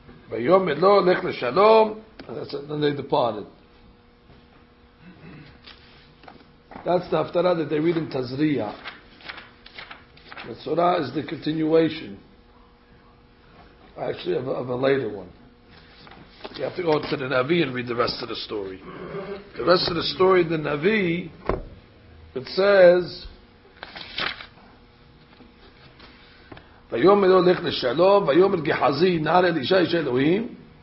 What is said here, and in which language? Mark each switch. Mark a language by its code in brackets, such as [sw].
[he] ביום מלו לך לשלום, [en] and they departed. That's the haftarah that they read in Tazriya. The surah is the continuation. Actually, of a later one. You have to go to the Navi and read the rest of the story. The rest of the story, the Navi, it says, [he] ויאמר לו לך לשלום, ויאמר גחזי נער אלישע איש אלוהים.